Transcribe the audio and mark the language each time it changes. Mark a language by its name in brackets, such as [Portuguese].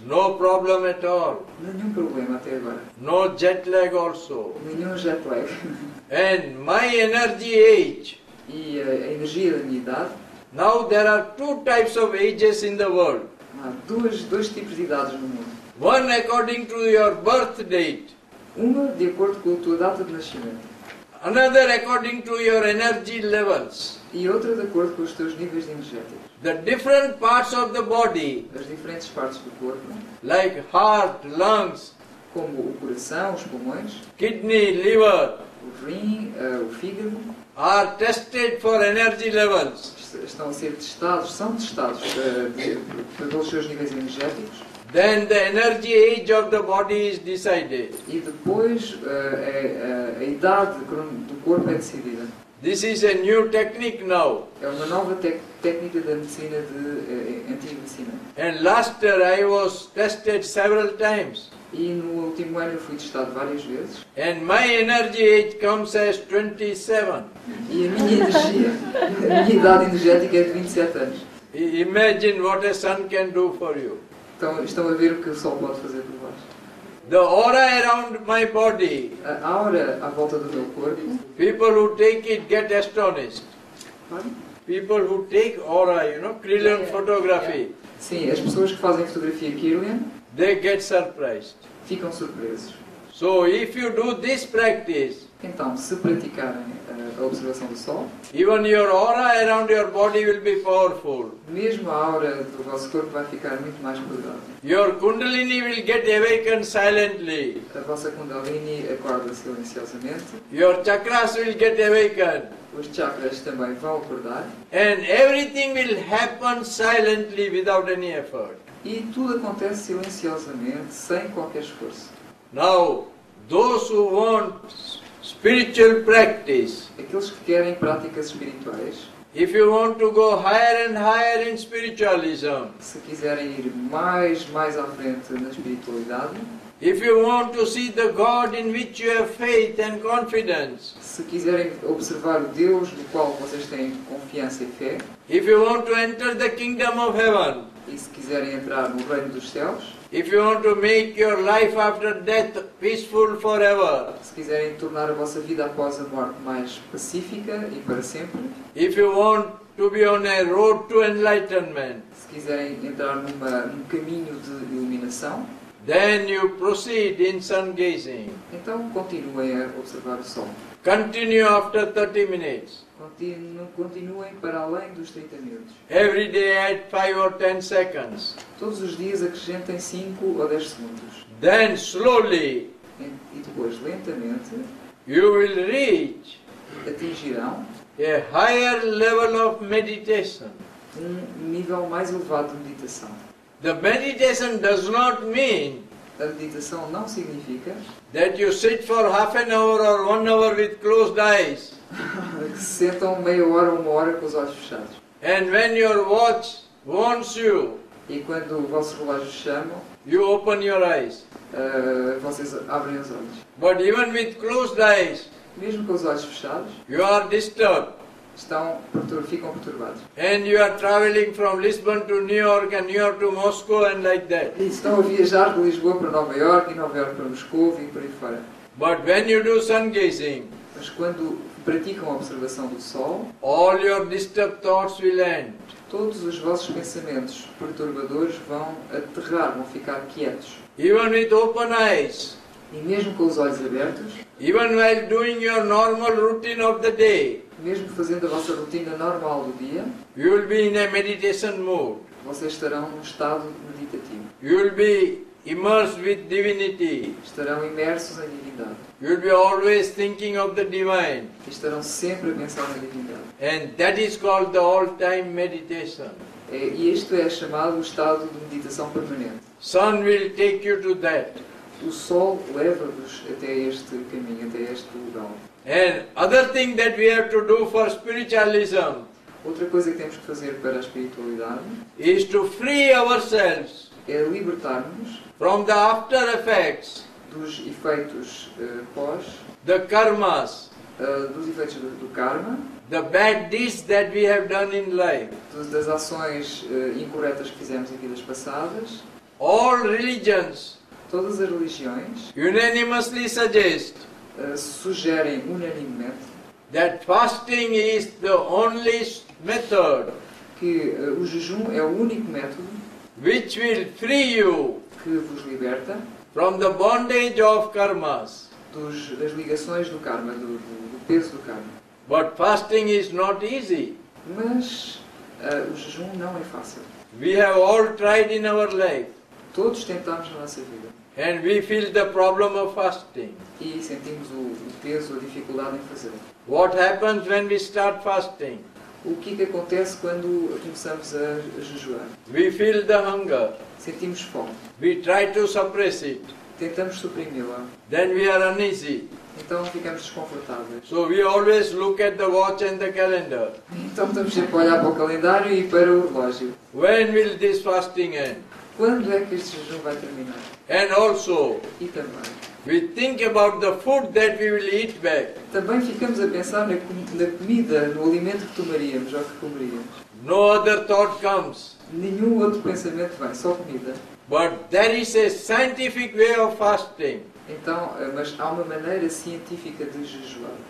[English] No problem at all. [Portuguese] Nenhum problema até agora. [English] No jet lag also. [Portuguese] Nenhum jet lag. [English] And my energy age. [Portuguese] E a energia da minha idade. [English] Now there are two types of ages in the world. [Portuguese] Há dois tipos de idades no mundo. [English] One according to your birth date. [Portuguese] Uma de acordo com a tua data de nascimento. [English] Another according to your energy levels. [Portuguese] E outra de acordo com os teus níveis energéticos. [English] The different parts of the body. [Portuguese] As diferentes partes do corpo. [English] Like heart, lungs. [Portuguese] Como o coração, os pulmões. [English] Kidney, liver. [Portuguese] O rim, o fígado. [English] Are tested for energy levels. [Portuguese] Estão a ser testados, são testados pelos seus níveis energéticos. [English] Then the energy age of the body is decided. [Portuguese] E depois a idade do corpo é decidida. [English] This is a new technique now. [Portuguese] É uma nova técnica da medicina de antiga medicina. [English] And last year I was tested several times. [Portuguese] E no último ano eu fui testado várias vezes. [English] And my energy age comes as 27. [Portuguese] E a minha idade energética é de 27 anos. [English] Imagine what a sun can do for you. [Portuguese] Estão a ver o que o sol pode fazer por vós. [English] The aura around my body. [Portuguese] A aura à volta do meu corpo. [English] People who take it get astonished. Pardon? People who take aura, you know, Krillian photography. [Portuguese] Yeah. Sim, as pessoas que fazem fotografia Krillian. [English] They get surprised. [Portuguese] Ficam surpresos. [English] So if you do this practice. [Portuguese] Então, se praticarem a observação do sol. [English] Even your aura around your body will be powerful. [Portuguese] Mesmo a aura do vosso corpo vai ficar muito mais poderosa. [English] Your kundalini will get awakened silently. [Portuguese] A vossa kundalini acorda silenciosamente. [English] Your chakras will get awakened. [Portuguese] Os chakras também vão acordar. [English] And everything will happen silently without any effort. [Portuguese] E tudo acontece silenciosamente, sem qualquer esforço. [English] Now, those who want spiritual practice. [Portuguese] Aqueles que querem práticas espirituais. [English] If you want to go higher and higher in spiritualism. [Portuguese] Se quiserem ir mais à frente na espiritualidade. [English] If you want to see the God in which you have faith and confidence. [Portuguese] Se quiserem observar o Deus no qual vocês têm confiança e fé. [English] If you want to enter the kingdom of heaven. [Portuguese] E se quiserem entrar no reino dos céus. [English] If you want to make your life after death peaceful forever. [Portuguese] Se quiserem tornar a vossa vida após a morte mais pacífica e para sempre. [English] If you want to be on a road to enlightenment. [Portuguese] Se quiserem entrar num caminho de iluminação. [English] Then you proceed in sun gazing. [Portuguese] Então continuem a observar o sol. [English] Continue after 30 minutes. [Portuguese] Continuem para além dos 30 minutos. [English] Every day add 5 or 10 seconds. [Portuguese] Todos os dias acrescentem 5 ou 10 segundos. [English] Then slowly. [Portuguese] E depois lentamente. [English] You will reach. [Portuguese] Atingirão. [English] A higher level of meditation. [Portuguese] Um nível mais elevado de meditação. [English] The meditation does not mean. [Portuguese] A meditação não significa [English] that you sit for half an hour or one hour with closed eyes. [Portuguese] que se sentam meia hora ou uma hora com os olhos fechados. [English] And when your watch warns you, [Portuguese] e quando o vosso relógio chama, [English] you open your eyes. [Portuguese] Vocês abrem os olhos. [English] But even with closed eyes, [Portuguese] mesmo com os olhos fechados, [English] you are disturbed. [Portuguese] Ficam perturbados. [English] And you are traveling from Lisbon to New York and New York to Moscow and like that. [Portuguese] E estão a viajar de Lisboa para Nova York e Nova York para Moscou e por aí fora. [English] But when you do sun gazing, [Portuguese] mas quando praticam a observação do sol, [English] all your disturbed thoughts will end. [Portuguese] Todos os vossos pensamentos perturbadores vão aterrar, vão ficar quietos. [English] Even with open eyes, [Portuguese] e mesmo com os olhos abertos, [English] even while doing your normal routine of the day, [Portuguese] mesmo fazendo a vossa rotina normal do dia, [English] you will be in a meditation mode. [Portuguese] Vocês estarão num estado meditativo. [English] You will be immersed with divinity. [Portuguese] Estarão imersos em divindade. [English] You will be always thinking of the divine. [Portuguese] Estarão sempre a pensar na divindade. [English] And that is called the all-time meditation. [Portuguese] E isto é chamado o estado de meditação permanente. [English] Sun will take you to that. [Portuguese] O sol leva-vos até este caminho, até este lugar. [English] And other thing that we have to do for spiritualism, [Portuguese] outra coisa que temos que fazer para a espiritualidade, [English] is to free ourselves, [Portuguese] é libertar-nos [English] from the after effects, [Portuguese] dos efeitos pós, [English] the karmas, [Portuguese] dos efeitos do karma, [English] the bad deeds that we have done in life, [Portuguese] das ações incorretas que fizemos em vidas passadas. [English] All religions, [Portuguese] todas as religiões, [English] unanimously suggest, [Portuguese] sugerem unanimemente, [English] that fasting is the only method, [Portuguese] que o jejum é o único método, [English] which will free you, [Portuguese] que vos liberta, [English] from the bondage of karmas, [Portuguese] das ligações do karma, do peso do karma. [English] But fasting is not easy. [Portuguese] Mas o jejum não é fácil. [English] We have all tried in our life. [Portuguese] Todos tentamos na nossa vida. [English] And we feel the problem of fasting. [Portuguese] E sentimos o peso, a dificuldade em fazer. [English] What happens when we start fasting? [Portuguese] O que acontece quando começamos a jejuar? [English] We feel the hunger. [Portuguese] Sentimos fome. [English] We try to suppress it. [Portuguese] Tentamos suprimi-la. [English] Then we are uneasy. [Portuguese] Então ficamos desconfortáveis. [English] So we always look at the watch and the calendar. [Portuguese] Então estamos sempre a olhar para o calendário e para o relógio. [English] When will this fasting end? [Portuguese] Quando é que este jejum vai terminar? [English] And also, [Portuguese] e também, [English] we think about the food that we will eat back. [Portuguese] Também ficamos a pensar na comida, no alimento que tomaríamos ou que comeríamos. [English] No other thought comes. [Portuguese] Nenhum outro pensamento vem, só comida. [English] But there is a scientific way of fasting. [Portuguese] Então, mas há uma maneira científica de jejuar.